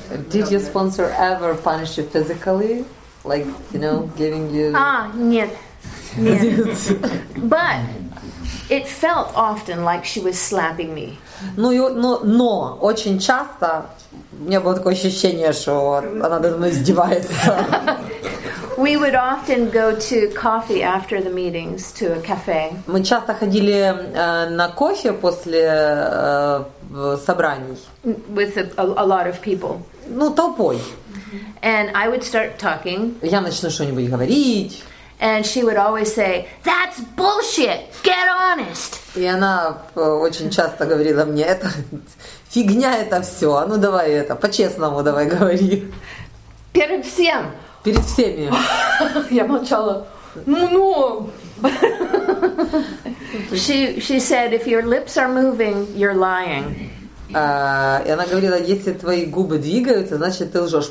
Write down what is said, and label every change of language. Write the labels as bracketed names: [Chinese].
[English] Did your sponsor ever punish you physically? Like, you know, giving you... [Russian] А, нет. Нет. [English] But It felt often like she was slapping me. [Russian] Но очень часто у меня было такое ощущение, что она надо мной издевается. [English] We would often go to coffee after the meetings to a cafe. [Russian] Мы часто ходили на кофе после собраний. [English] With a lot of people. [Russian] Ну, толпой. [English] And I would start talking. [Russian] Я начну что-нибудь говорить. [English] And she would always say, "That's bullshit. Get honest." [Russian] И она очень часто говорила мне: "Это фигня это всё. А ну давай это, по-честному давай говори." Перед всем. Перед всеми. Я молчала. Ну. [English] She said, "If your lips are moving, you're lying." [Russian] И она говорила: "Если твои губы двигаются, значит ты лжёшь."